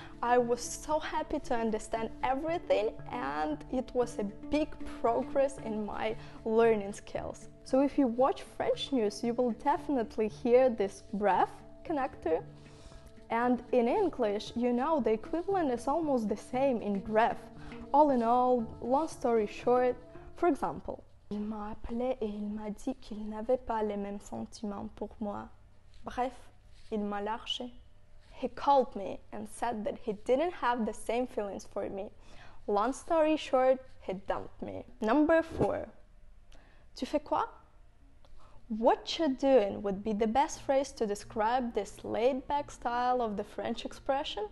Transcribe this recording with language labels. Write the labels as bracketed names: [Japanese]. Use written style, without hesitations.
[English] I was so happy to understand everything, and it was a big progress in my learning skills. So if you watch French news, you will definitely hear this bref connector. And in English, you know, the equivalent is almost the same in bref. All in all, long story short, for example, [French] il m'a appelé et il m'a dit qu'il n'avait pas les mêmes sentiments pour moi. Bref, il m'a lâché. [English] He called me and said that he didn't have the same feelings for me. Long story short, he dumped me. Number four. [French] Tu fais quoi? [English] What you're doing would be the best phrase to describe this laid-back style of the French expression.